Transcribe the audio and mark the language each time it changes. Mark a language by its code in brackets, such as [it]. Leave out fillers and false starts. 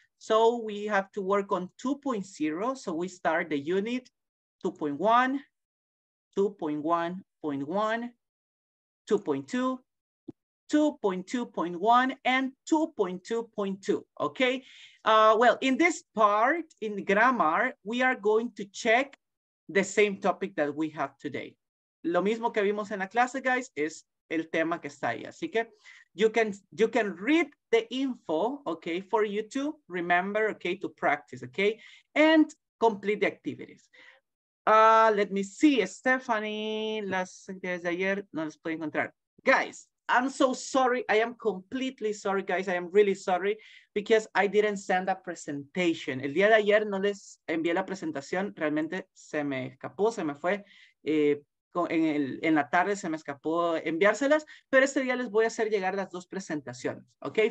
[en] So we have to work on 2.0. So we start the unit 2.1, 2.1.1, 2.2, 2.2.1, and 2.2.2, okay? Well, in this part, in grammar, we are going to check the same topic that we have today. [es] Lo mismo que vimos en la clase, guys, es el tema que está ahí. Así que [en] you can read the info, okay, for you to remember, okay, to practice, okay, and complete the activities. Let me see, [es] Stephanie, las actividades de ayer, no las puedo encontrar. [en] Guys, I'm so sorry. I am completely sorry, guys. I am really sorry because I didn't send a presentation. [es] El día de ayer no les envié la presentación. Realmente se me escapó, se me fue. En la tarde se me escapó enviárselas, pero este día les voy a hacer llegar las dos presentaciones, okay?